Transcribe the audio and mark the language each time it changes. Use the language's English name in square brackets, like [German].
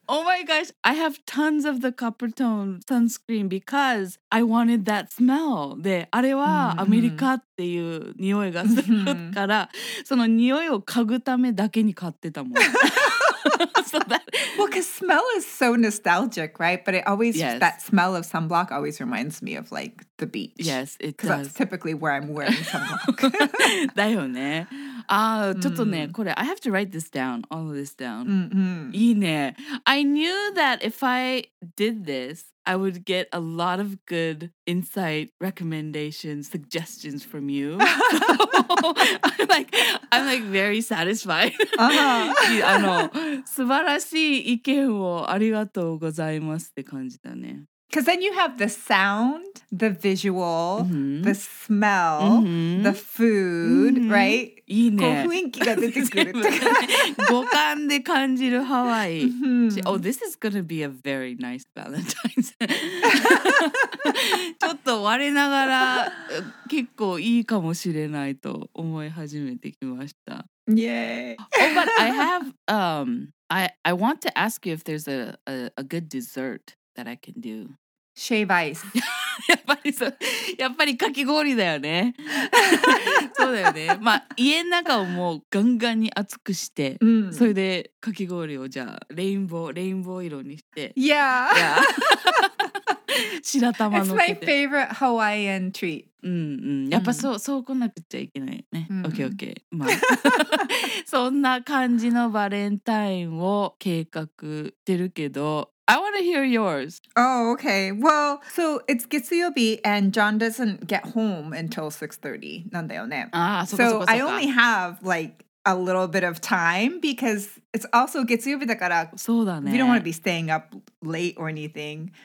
[English] Oh my gosh, I have tons of the copper tone sunscreen because I wanted that smell. [Japanese] で、あれはアメリカっていう匂いがするから、その匂いを嗅ぐためだけに買ってたもん。 [English] So that, well, because smell is so nostalgic, right? But it always, yes. that smell of sunblock always reminds me of like the beach. Yes, it does. Because that's typically where I'm wearing sunblock. [Japanese] だよね。ああ、ちょっとね、これ、 [English] I have to write this down, all of this down. Mm-hmm. [Japanese] いいね。 [English] I knew that if I did this, I would get a lot of good insight, recommendations, suggestions from you. I'm like very satisfied. Uh-huh. [Japanese] あの、素晴らしい意見をありがとうございますって感じだね。 [English] Because then you have the sound, the visual, mm-hmm. the smell, mm-hmm. the food, mm-hmm. right? [Japanese] いいね。こう雰囲気が出てくるって感じ。五感で感じるハワイ。 [English] Mm-hmm. Oh, this is gonna be a very nice Valentine's. [Japanese] ちょっと我ながら結構いいかもしれないと思い始めてきました。 [English] Yay! Oh, but I have, I want to ask you if there's a good dessert. That I can do. Shave ice. [Japanese] やっぱりそう、やっぱりかき氷だよね。そうだよね。まあ家の中をもうガンガンに熱くして、うん、それでかき氷をじゃあレインボー色にして。 [English] Yeah. [Japanese] Yeah. 白玉の [English] せて。It's my favorite Hawaiian treat. [Japanese] うんうん。やっぱそう、そう来なくちゃいけないね。うん、 OK OK。まあそんな感じのバレンタインを計画してるけど。 [English] I want to hear yours. Oh, okay. Well, so it's Gitsuyobi and John doesn't get home until 6:30. [Japanese] なんだよね。 [English] ah, so I only have like a little bit of time because it's also Gitsuyobi だから。 [Japanese] そうだね。 [English] We don't want to be staying up late or anything.